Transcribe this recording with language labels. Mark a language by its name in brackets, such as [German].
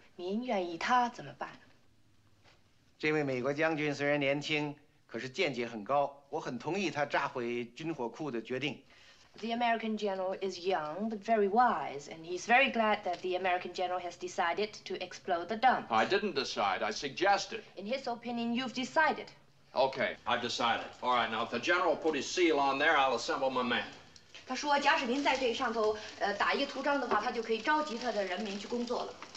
[Chinese] 他说将军的年长，战事的经验也比较丰富，您愿意他怎么办? 这位美国将军虽然年轻, 可是见解很高, 我很同意他炸毁军火库的决定。 [English] The American general is young, but very wise, and he's very glad that the American general has decided to explode the dump. I didn't decide, I suggested. In his opinion, you've decided. Okay, I've decided. All right, now, if the general put his seal on there, I'll assemble my men. [Chinese] 他说假使您在这上头打一个图章的话，他就可以召集他的人民去工作了。